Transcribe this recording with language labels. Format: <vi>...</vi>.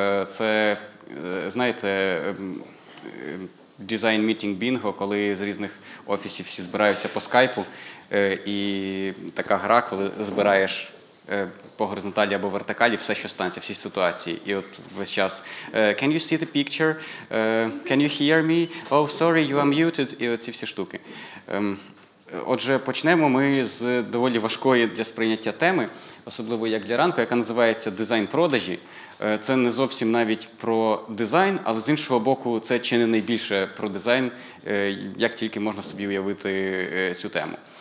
<uk>Це, знаєте, дизайн-мітінг бінго, коли з різних офісів всі збираються по скайпу, і така гра, коли збираєш по горизонталі або вертикалі все, що станеться, всі ситуації. І от весь час</uk> <en>«Can you see the picture? Can you hear me? Oh, sorry, you are muted!»</en> <uk>І оці всі штуки. Отже, почнемо ми з доволі важкої для сприйняття теми, особливо як для ранку, яка називається «Дизайн продажі». Це не зовсім навіть про дизайн, але з іншого боку, це чи не найбільше про дизайн, як тільки можна собі уявити цю тему.</uk>